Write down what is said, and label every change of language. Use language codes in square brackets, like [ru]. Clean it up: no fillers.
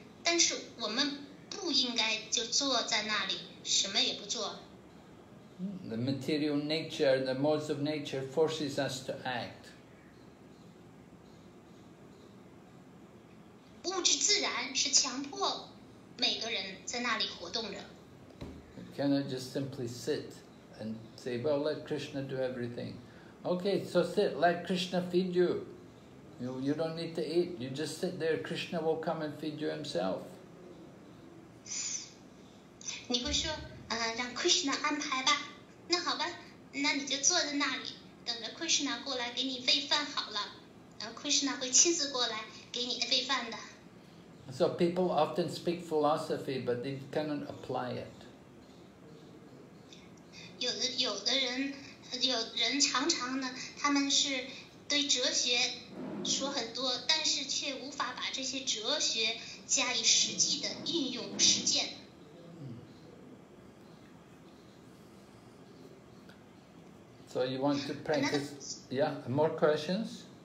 [zh] 但是我们不应该就坐在那里什么也不做。 [en] The material nature, the modes of nature forces us to act. [zh] 物质自然是强迫每个人在那里活动着。 [en] We cannot just simply sit and say, well, let Krishna do everything. Okay, so sit, let Krishna feed you. You don't need to eat, you just sit there, Krishna will come and feed you himself. [zh] 你会说，让 Krishna 安排吧。那好吧，那你就坐在那里，等着 Krishna 过来给你喂饭好了。 Krishna 会亲自过来给你喂饭的。 [en] So people often speak philosophy, but they cannot apply it. [zh] 有人常常呢，他们是对哲学说很多，但是却无法把这些哲学加以实际的运用实践。 [en] So you want to practice, yeah, more questions?